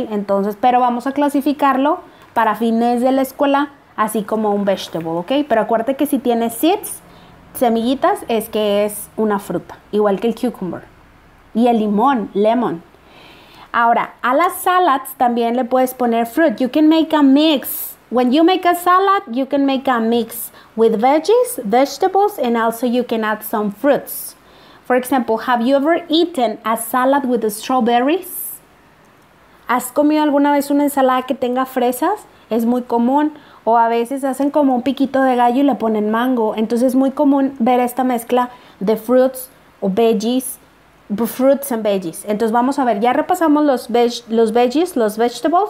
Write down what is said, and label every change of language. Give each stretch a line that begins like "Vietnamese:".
Spanish: Entonces, pero vamos a clasificarlo para fines de la escuela así como un vegetable, ¿ok? Pero acuérdate que si tiene seeds, semillitas, es que es una fruta, igual que el cucumber. Y el limón, lemon. Ahora, a las salads también le puedes poner fruit.
English: You can make a mix. When you make a salad, you can make a mix with veggies, vegetables, and also you can add some fruits. For example, have you ever eaten a salad with strawberries?
Spanish: ¿Has comido alguna vez una ensalada que tenga fresas? Es muy común. O a veces hacen como un piquito de gallo y le ponen mango. Entonces es muy común ver esta mezcla de fruits o veggies.
English: Fruits and veggies.
Spanish: Entonces vamos a ver, ya repasamos los vegetables.